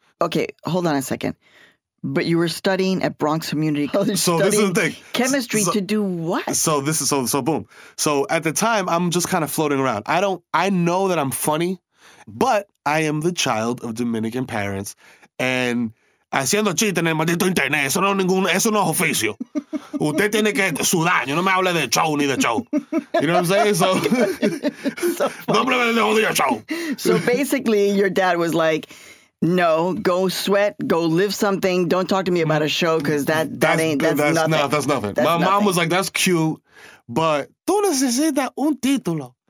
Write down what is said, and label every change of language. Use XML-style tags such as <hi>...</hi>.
<en>Okay, hold on a second. But you were studying at Bronx Community College. So this is the thing. Chemistry to do what? So boom. So at the time, I'm just kind of floating around. I know that I'm funny, but I am the child of Dominican parents. And</en> <es>haciendo chiste en el maldito internet. Eso no es ningún, eso no es oficio. Usted tiene que sudar. Yo no me hable de show ni de show.</es> <en>You know what I'm saying? So, no me hable de jodido show. So basically, your dad was like, no, go sweat, go live something. Don't talk to me about a show because that's nothing. My mom was like, that's cute, but tú necesitas un título.</en>